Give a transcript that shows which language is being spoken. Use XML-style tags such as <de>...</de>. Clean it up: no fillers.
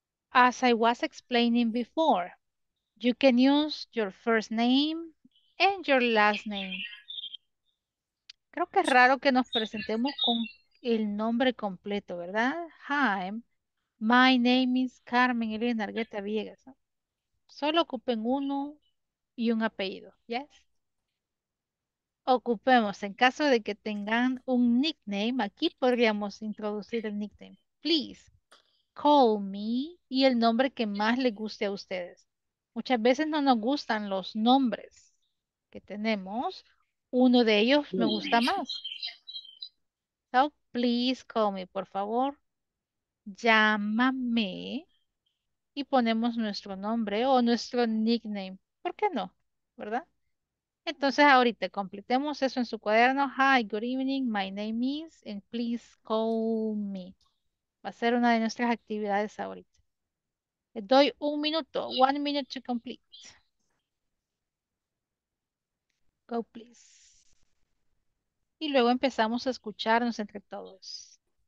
<en>As I was explaining before, you can use your first name and your last name.</en> <es>Creo que es raro que nos presentemos con el nombre completo, ¿verdad?</es> <en>Hi, my name is Carmen Elena Argueta Villegas.</en> <es>Solo ocupen uno y un apellido, ¿yes? Ocupemos, en caso de que tengan un nickname, aquí podríamos introducir el nickname.</es> <en>Please, call me</en> <es>y el nombre que más le guste a ustedes. Muchas veces no nos gustan los nombres que tenemos. Uno de ellos me gusta más.</es> <en>So, please call me,</en> <es>por favor. Llámame. Y ponemos nuestro nombre o nuestro nickname. ¿Por qué no? ¿Verdad? Entonces ahorita completemos eso en su cuaderno.</es> <en>Hi, good evening, my name is, and please call me.</en> <es>Va a ser una de nuestras actividades ahorita. Le doy un minuto,</es> <en>1 minute to complete. Go, please.</en> <es>Y luego empezamos a escucharnos entre todos.</es>